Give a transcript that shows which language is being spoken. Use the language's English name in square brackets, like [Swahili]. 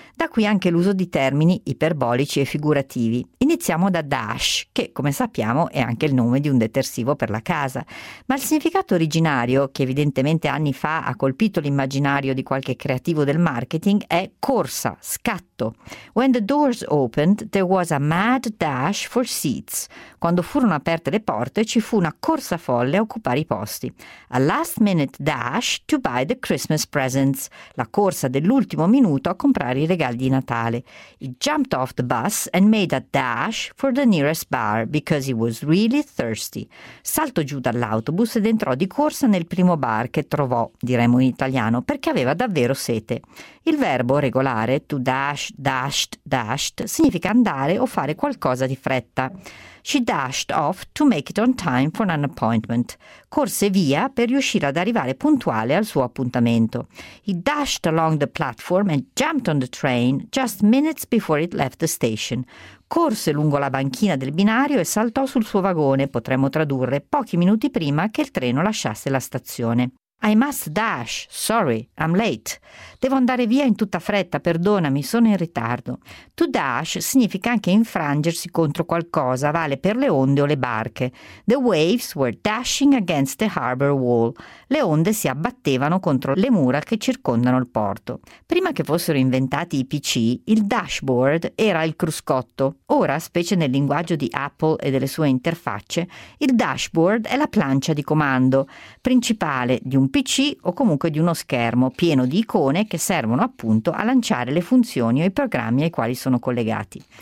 [Italian] Da qui anche l'uso di termini iperbolici e figurativi. Iniziamo da Dash, che, come sappiamo, è anche il nome di un detersivo per la casa. Ma il significato originario, che evidentemente anni fa ha colpito l'immaginario di qualche creativo del marketing, è corsa, scatto. [English] When the doors opened, there was a mad dash for seats. [Italian] Quando furono aperte le porte, ci fu una corsa folle a occupare i posti. [English] A last minute dash to buy the Christmas presents. [Italian] La corsa dell'ultimo minuto a comprare i regali di Natale. [English] He jumped off the bus and made a dash for the nearest bar because he was really thirsty. [Italian] Saltò giù dall'autobus ed entrò di corsa nel primo bar che trovò, diremmo in italiano, perché aveva davvero sete. Il verbo regolare to dash, dashed, dashed significa andare o fare qualcosa di fretta. [English] She dashed off to make it on time for an appointment. [Italian] Corse via per riuscire ad arrivare puntuale al suo appuntamento. [English] He dashed along the platform and jumped on the train just minutes before it left the station. [Italian] Corse lungo la banchina del binario e saltò sul suo vagone, potremmo tradurre, pochi minuti prima che il treno lasciasse la stazione. [English] I must dash. Sorry, I'm late. [Italian] Devo andare via in tutta fretta, perdonami, sono in ritardo. To dash significa anche infrangersi contro qualcosa, vale per le onde o le barche. [English] The waves were dashing against the harbor wall. [Italian] Le onde si abbattevano contro le mura che circondano il porto. Prima che fossero inventati i PC, il dashboard era il cruscotto. Ora, specie nel linguaggio di Apple e delle sue interfacce, il dashboard è la plancia di comando principale di un PC o comunque di uno schermo pieno di icone che servono appunto a lanciare le funzioni o i programmi ai quali sono collegati.